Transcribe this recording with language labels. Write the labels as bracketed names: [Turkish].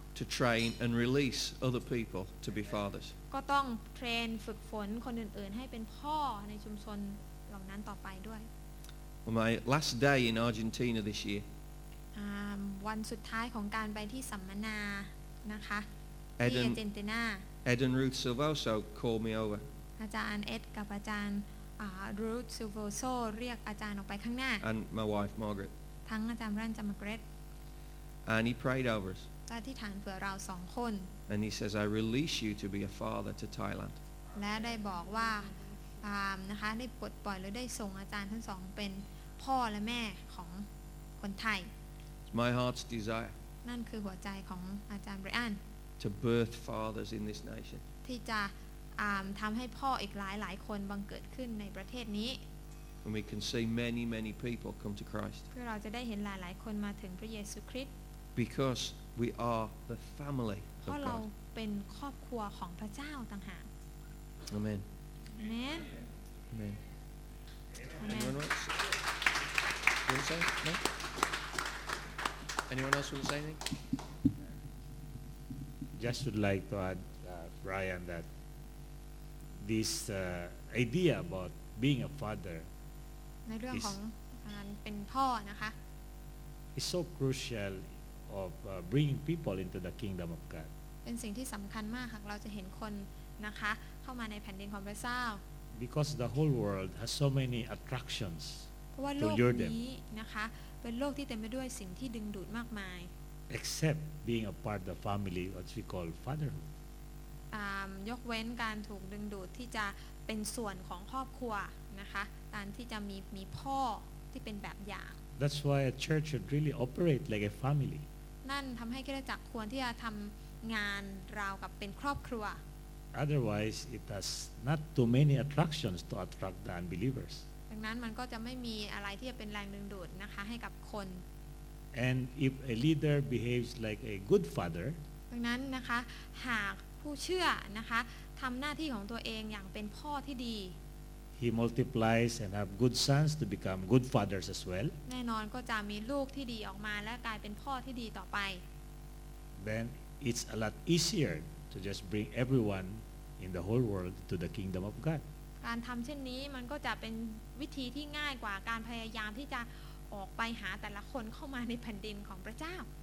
[English] To train and release other people to be fathers. [Thai] ก็ต้องเทรนฝึกฝนคนอื่นๆให้เป็นพ่อในชุมชนเหล่านั้นต่อไปด้วย [English] My last day in Argentina this year. [Thai] วันสุดท้ายของการไปที่สัมมนานะคะที่อาร์เจนตินา [English] Ed and Ruth Silvoso called me over [Thai] อาจารย์เอ็ดกับอาจารย์Ruth Silvoso เรียกอาจารย์ออกไปข้างหน้า [English] And my wife Margaret [Thai] ทั้งอาจารย์แรนด์จามาเกรต [English] And he prayed over us. [Thai] และที่ฐานเผื่อเราสองคน [English] And he says, I release you to be a father to Thailand. [Thai] และได้บอกว่านะคะได้ปลดปล่อยหรือได้ส่งอาจารย์ทั้งสองเป็นพ่อและแม่ของคนไทย [English] It's my heart's desire. [Thai] นั่นคือหัวใจของอาจารย์ไบรอัน [English] To birth fathers in this nation. [Thai] ที่จะทำให้พ่ออีกหลายคนบังเกิดขึ้นในประเทศนี้ [English] And we can see many, many people come to Christ. [Thai] เพื่อเราจะได้เห็นหลายคนมาถึงพระเยซูคริสต์ [English] Because we are the family of God. [Thai] เพราะเราเป็นครอบครัวของพระเจ้าต่างหาก [English] Amen. Amen. Amen. Amen. Anyone else? You want to say? No? Anyone else want to say anything? Just would like to add, Brian, that this idea about being a father [Thai] ในเรื่องของการเป็นพ่อนะคะ [English] is so crucial. Of bringing people into the kingdom of God. [Thai] เป็นสิ่งที่สำคัญมากหากเราจะเห็นคนนะคะเข้ามาในแผ่นดินของพระเจ้า [English] Because the whole world has so many attractions to lure them. [Thai] เพราะว่าโลกนี้นะคะเป็นโลกที่เต็มไปด้วยสิ่งที่ดึงดูดมากมาย [English] Except being a part of the family, what we call fatherhood. [Thai] ยกเว้นการถูกดึงดูดที่จะเป็นส่วนของครอบครัวนะคะการที่จะมีพ่อที่เป็นแบบอย่าง [English] That's why a church should really operate like a family. [Thai] นั่นทำให้คริสตจักรควรที่จะทำงานราวกับเป็นครอบครัว [English] Otherwise, it has not too many attractions to attract the unbelievers. [Thai] ดังนั้นมันก็จะไม่มีอะไรที่จะเป็นแรงดึงดูดนะคะให้กับคน [English] And if a leader behaves like a good father, [Thai] ดังนั้นนะคะหากผู้เชื่อนะคะทำหน้าที่ของตัวเองอย่างเป็นพ่อที่ดี [English] He multiplies and have good sons to become good fathers as well. [Thai] แน่นอนก็จะมีลูกที่ดีออกมาและกลายเป็นพ่อที่ดีต่อไป [English] Then it's a lot easier to just bring everyone in the whole world to the kingdom of God. [Thai] การทำเช่นนี้มันก็จะเป็นวิธีที่ง่ายกว่าการพยายามที่จะออกไปหาแต่ละคนเข้ามาในแผ่นดินของพระเจ้า